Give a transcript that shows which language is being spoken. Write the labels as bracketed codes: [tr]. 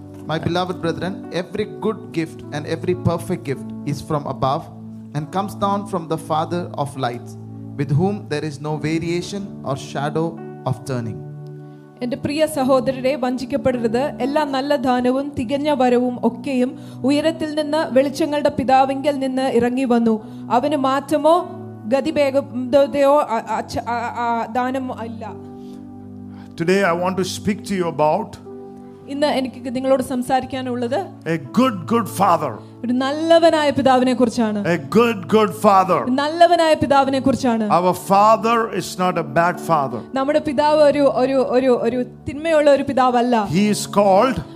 [en] my beloved brethren, every good gift and every perfect gift is from above and comes down from the Father of lights, with whom there is no variation or shadow of turning. [ml] എന്റെ പ്രിയ സഹോദരരെ, വഞ്ചിക്കപ്പെടരുത്. എല്ലാ നല്ല ദാനവും തികഞ്ഞ വരവും ഒക്കെയും ഉയരത്തിൽ നിന്ന് വെളിച്ചങ്ങളുടെ പിതാവിങ്കിൽ നിന്ന് ഇറങ്ങി വന്നു. അവന് മാറ്റമോ ഗതിവേഗതയോ ദാനമോ ഇല്ല. [en] Today I want to speak to you about [ml] ഇന്ന് എനിക്ക് നിങ്ങളോട് സംസാരിക്കാനുള്ളത് [en] a good good father. [ml] ഒരു നല്ലവനായ പിതാവിനെ കുറിച്ചാണ്. [en] A good good father. [ml] നല്ലവനായ പിതാവിനെ കുറിച്ചാണ്. [en] Our father is not a bad father. [ml] നമ്മുടെ പിതാവ് ഒരു ഒരു ഒരു ഒരു തിന്മയുള്ള ഒരു പിതാവല്ല. [en] He is called